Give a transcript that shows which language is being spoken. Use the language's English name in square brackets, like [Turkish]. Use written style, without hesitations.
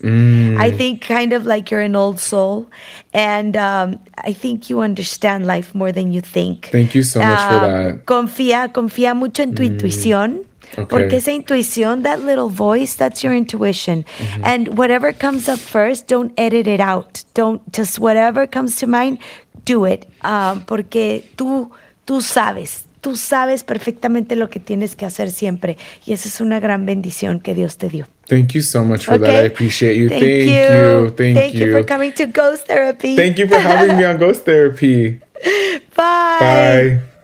[English] I think kind of like you're an old soul. And I think you understand life more than you think. Thank you so much for that. [Spanish] Confía mucho en tu intuición. [English] Okay. [Spanish] Porque esa intuición, [English] that little voice, that's your intuition. Mm-hmm. And whatever comes up first, don't edit it out. Don't just whatever comes to mind, do it. [Spanish] Porque tú sabes perfectamente lo que tienes que hacer siempre. Y esa es una gran bendición que Dios te dio. [English] Thank you so much for that. I appreciate you. Thank you for coming to Ghost Therapy. Thank you for having me on Ghost Therapy. Bye.